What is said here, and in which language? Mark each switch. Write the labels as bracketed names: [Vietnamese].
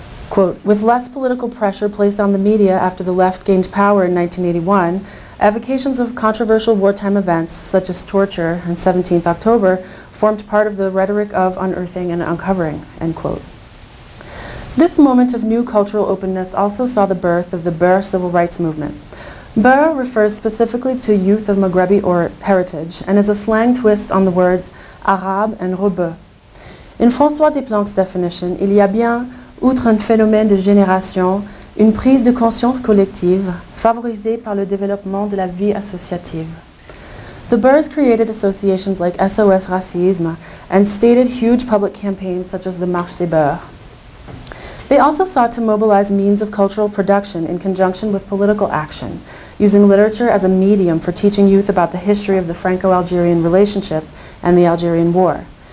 [English] Quote, with less political pressure placed on the media after the left gained power in 1981, evocations of controversial wartime events, such as torture and 17th October, formed part of the rhetoric of unearthing and uncovering, end quote. This moment of new cultural openness also saw the birth of the Beur civil rights movement. Beur refers specifically to youth of Maghrebi heritage and is a slang twist on the words arabe and rebeu. In François Desplanques' definition, [French] il y a bien, outre un phénomène de génération, une prise de conscience collective favorisée par le développement de la vie associative. [English] The Beurs created associations like SOS Racisme and stated huge public campaigns such as the Marche des Beurs. They also sought to mobilize means of cultural production in conjunction with political action, using literature as a medium for teaching youth about the history of the Franco-Algerian relationship and the Algerian War.